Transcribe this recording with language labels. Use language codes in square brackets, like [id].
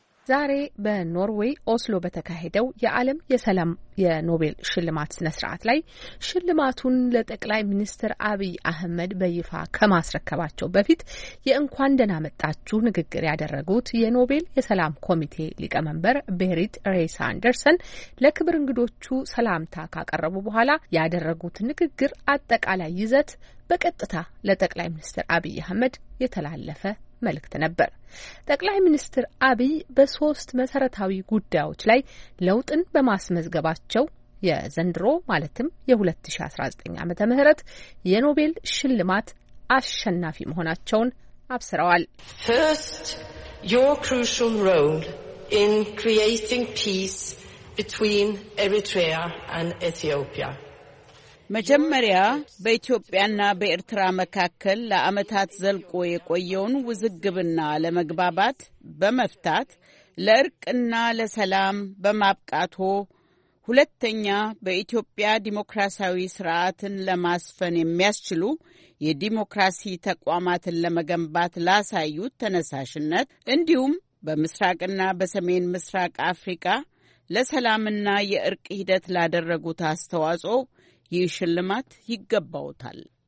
[am] ዛሬ በኖርዌይ ኦስሎ በተካሄደው የዓለም የሰላም የኖቤል ሽልማት ስነ ስርዓት ላይ ሽልማቱን ለጠቅላይ ሚኒስትር አብይ አህመድ በይፋ ከማስረከባቸው በፊት የእንኳን ደህና መጣችሁ ንግግር ያደረጉት የኖቤል የሰላም ኮሚቴ ሊቀመንበር ቤሪት ሬይስ አንደርሰን ለክብር እንግዶቹ ሰላምታ ካቀረቡ በኋላ ያደረጉት ንግግር አጠቃላይ ይዘት በቀጥታ ለጠቅላይ ሚኒስትር አብይ አህመድ የተላለፈ መልእክት ነበር። ጠቅላይ ሚኒስትር አብይ በሶስት መሰረታዊ ጉዳዮች ላይ ለውጥን በማስመዝገባቸው የዘንድሮ ማለትም የ2019 ዓ.ም የኖቤል ሽልማት አሸናፊ መሆናቸውን አብስረዋል። [en] First, your crucial role in creating peace between Eritrea and Ethiopia. [am] መጀመሪያ በኢትዮጵያና በኤርትራ መካከል ለአመታት ዘልቆ የቆየውን ውዝግብና ለመግባባት በመፍታት ለእርቅና ለሰላም በማብቃቶ፣ ሁለተኛ በኢትዮጵያ ዲሞክራሲያዊ ስርዓትን ለማስፈን የሚያስችሉ የዲሞክራሲ ተቋማትን ለመገንባት ላሳዩት ተነሳሽነት፣ እንዲሁም በምስራቅና በሰሜን ምስራቅ አፍሪካ ለሰላምና የእርቅ ሂደት ላደረጉት አስተዋጽኦ ይህ ሽልማት ይገባውታል።